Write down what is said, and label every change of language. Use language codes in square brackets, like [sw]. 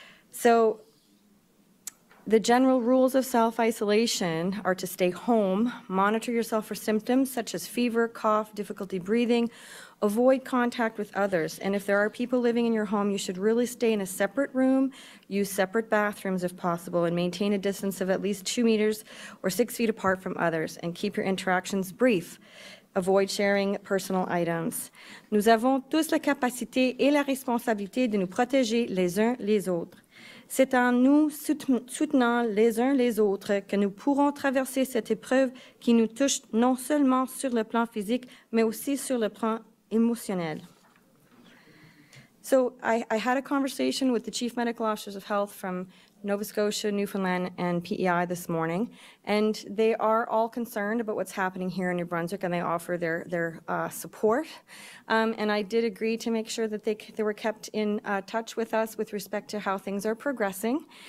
[en] So the general rules of self-isolation are to stay home, monitor yourself for symptoms such as fever, cough, difficulty breathing, avoid contact with others. And if there are people living in your home, you should really stay in a separate room, use separate bathrooms if possible, and maintain a distance of at least 2 meters or 6 feet apart from others, and keep your interactions brief. Avoid sharing personal items. [fr] Nous avons tous la capacité et la responsabilité de nous protéger les uns les autres. C'est en nous soutenant les uns les autres que nous pourrons traverser cette épreuve qui nous touche non seulement sur le plan physique, mais aussi sur le plan émotionnel. [en] So I had a conversation with the Chief Medical Officers of Health from Nova Scotia, Newfoundland, and PEI this morning, and they are all concerned about what's happening here in New Brunswick, and they offer their support. And I did agree to make sure that they were kept in touch with us with respect to how things are progressing.